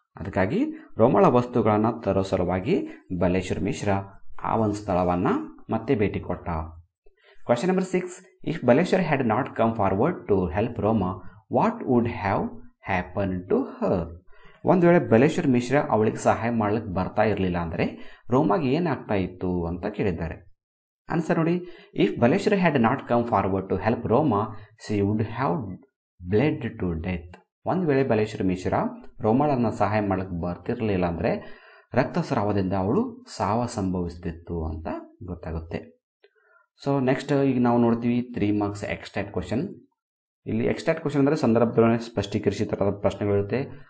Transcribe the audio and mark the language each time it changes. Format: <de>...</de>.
<kn>ಅದಕ್ಕಾಗಿ ರೋಮಾಳ ವಸ್ತುಗಳನ್ನು ತರೋ ಸಲುವಾಗಿ ಬಲೇಶ್ವರ ಮಿಶ್ರ ಆ ಒಂದು ಸ್ಥಳವನ್ನು ಮತ್ತೆ ಭೇಟಿ ಕೊಟ್ಟ.</kn> <en>Question number 6, if Baleshwar had not come forward to help Roma, what would have happen to her?</en> <kn>ಒಂದು ವೇಳೆ ಬಲೇಶ್ವರ್ ಮಿಶ್ರ ಅವಳಿಗೆ ಸಹಾಯ ಮಾಡಲಿಕ್ಕೆ ಬರ್ತಾ ಇರಲಿಲ್ಲ ಅಂದರೆ ರೋಮಾಗೆ ಏನಾಗ್ತಾ ಇತ್ತು ಅಂತ ಕೇಳಿದ್ದಾರೆ.</kn> <en>Answer only. If Balashri had not come forward to help Roma, she would have bled to death.</en> <kn>ಒಂದು ವೇಳೆ ಬಲೇಶ್ವರ ಮಿಶ್ರ ರೋಮಾಳನ್ನ ಸಹಾಯ ಮಾಡಕ್ ಬರ್ತಿರ್ಲಿಲ್ಲ ಅಂದ್ರೆ ರಕ್ತಸ್ರಾವದಿಂದ ಅವಳು ಸಾವ ಸಂಭವಿಸ್ತಿತ್ತು ಅಂತ ಗೊತ್ತಾಗುತ್ತೆ. ಸೊ ನೆಕ್ಸ್ಟ್ ಈಗ ನಾವು ನೋಡ್ತೀವಿ 3 marks ಎಕ್ಸ್ಟ್ರಾಕ್ಟ್ ಕ್ವಶನ್. ಇಲ್ಲಿ ಎಕ್ಸ್ಟ್ರಾಕ್ಟ್ ಕ್ವಶನ್ ಅಂದ್ರೆ ಸಂದರ್ಭ ಸ್ಪಷ್ಟೀಕರಿಸಿದ ತರಹದ ಪ್ರಶ್ನೆಗಳಿರುತ್ತೆ.</kn>